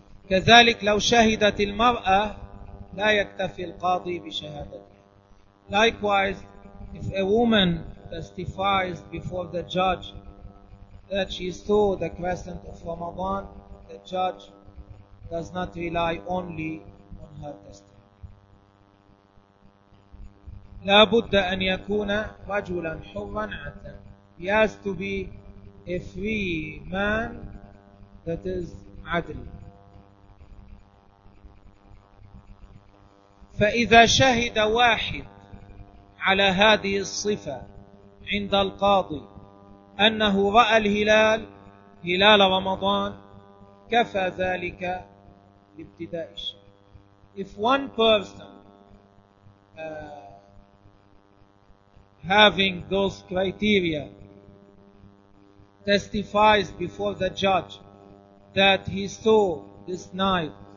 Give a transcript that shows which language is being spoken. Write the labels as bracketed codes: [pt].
[ar] كذلك لو شهدت المرأة لا يكتفي القاضي بشهادته. [en] Likewise, if a woman testifies before the judge that she saw the crescent of Ramadan, the judge does not rely only on her testimony. [ar] لا بد أن يكون رجلا حرا عدلا. [en] He has to be a free man that is عدل. [ar] فإذا شهد واحد على هذه الصفة عند القاضي أنه رأى الهلال هلال رمضان كفى ذلك لابتداء الشهر. [en] If one person having those criteria testifies before the judge that he saw this night,